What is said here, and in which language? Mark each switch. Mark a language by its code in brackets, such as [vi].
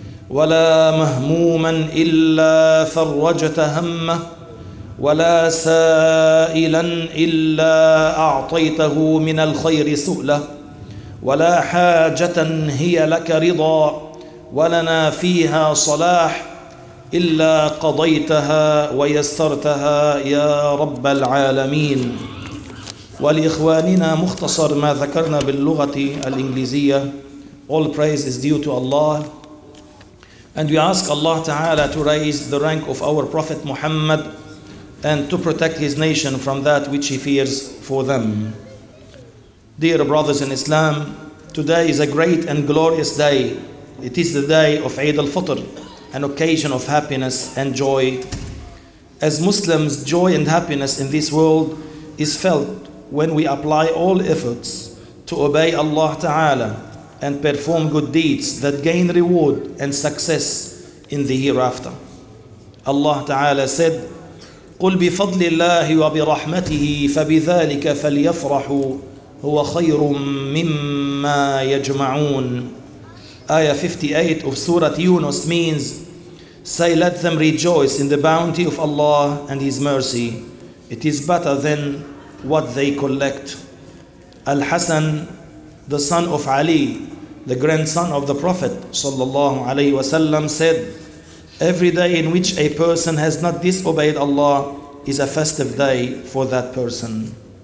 [ar] ولا مهموماً إلا فرجت همه، ولا سائلاً إلا أعطيته من الخير سؤله، ولا حاجة هي لك رضا ولنا فيها صلاح إلا قضيتها ويسرتها يا رب العالمين. ولإخواننا مختصر ما ذكرنا باللغة الإنجليزية، [en] all praise is due to Allah, and we ask Allah Ta'ala to raise the rank of our Prophet Muhammad and to protect his nation from that which he fears for them. Dear brothers in Islam, today is a great and glorious day. It is the day of Eid al-Fitr, an occasion of happiness and joy. As Muslims, joy and happiness in this world is felt when we apply all efforts to obey Allah Ta'ala and perform good deeds that gain reward and success in the hereafter. Allah Ta'ala said, [ar] قُلْ بِفَضْلِ اللَّهِ وَبِرَحْمَتِهِ فَبِذَلِكَ فَلْيَفْرَحُوا هُوَ خَيْرٌ مِمَّا يَجْمَعُونَ. [en] Ayah 58 of Surah Yunus means, say, let them rejoice in the bounty of Allah and His mercy. It is better than what they collect. Al-Hasan, the son of Ali, the grandson of the Prophet sallallahu alayhi wasallam, said, every day in which a person has not disobeyed Allah is a festive day for that person.